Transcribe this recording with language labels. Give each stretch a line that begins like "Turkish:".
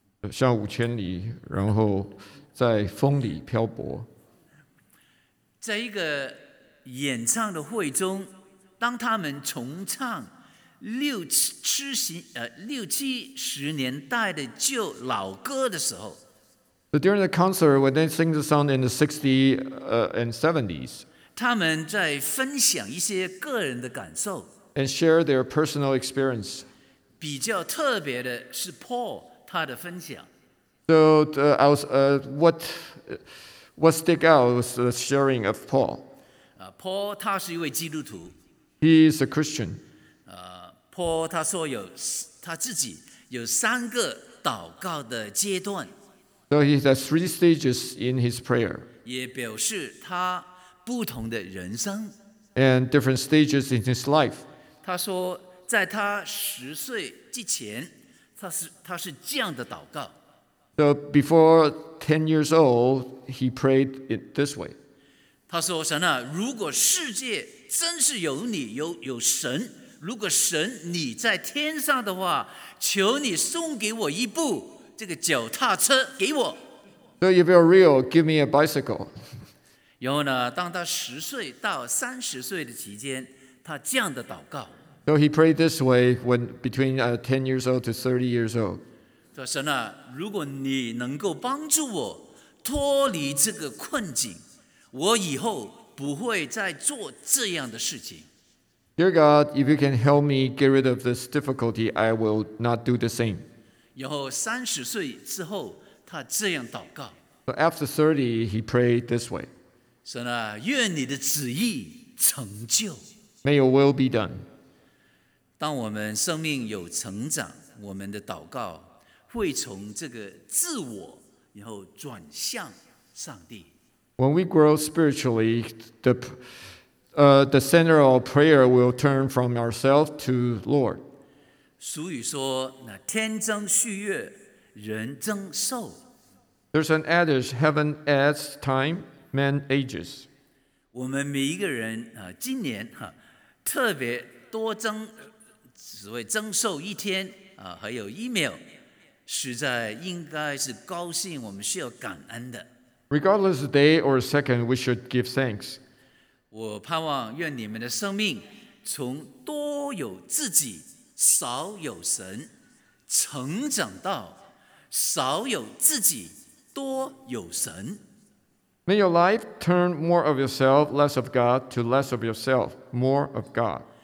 Chinese: 像五千里，然后在风里漂泊。在一个演唱的会中，当他们重唱六七十年代的旧老歌的时候，
English: So during the concert, when they sing the song in the 60s and 70s,
Chinese: 他们在分享一些个人的感受
English: and share their personal experience.
Chinese: 比较特别的是 Paul 他的分享
English: So what stick out was the sharing of Paul.
Chinese: Paul 他是一位基督徒
English: He is a Christian.
Chinese: Paul 他说他自己有三个祷告的阶段。
English: So he has three stages in his prayer.
Chinese: 也表示他不同的人生。
English: And different stages in his life.
Chinese: 他说，在他十岁之前，他是这样的祷告。
English: So before 10 years old, he prayed it this way.
Chinese: 他说，神啊，如果世界真是有你，有神，如果神你在天上的话，求你送给我一部。这个脚踏车给我。
English: So if you're real, give me a bicycle.
Chinese: 然后呢，当他十岁到三十岁的期间，他这样的祷告。
English: So he prayed this way when between 10 years old to 30 years old.
Chinese: 说神啊，如果你能够帮助我脱离这个困境，我以后不会再做这样的事情。
English: Dear God, if you can help me get rid of this difficulty, I will not do the same.
Chinese: 然后三十岁之后，他这样祷告。
English: After 30, he prayed this way.
Chinese: 神啊，愿你的旨意成就。
English: May your will be done.
Chinese: 当我们生命有成长，我们的祷告会从这个自我，然后转向上帝。
English: When we grow spiritually, the center of prayer will turn from ourselves to Lord.
Chinese: 俗语说，那天增旭月，人增寿。
English: There's an adage: heaven adds time, man ages.
Chinese: 我们每一个人今年特别多增，所谓增寿一天还有一秒，实在应该是高兴，我们需要感恩的。
English: Regardless of day or second, we should give thanks.
Chinese: 我盼望愿你们的生命从多有自己。少有神，成长到少有自己，多有神。
English: May your life turn more of yourself, less of God, to less of yourself, more of God.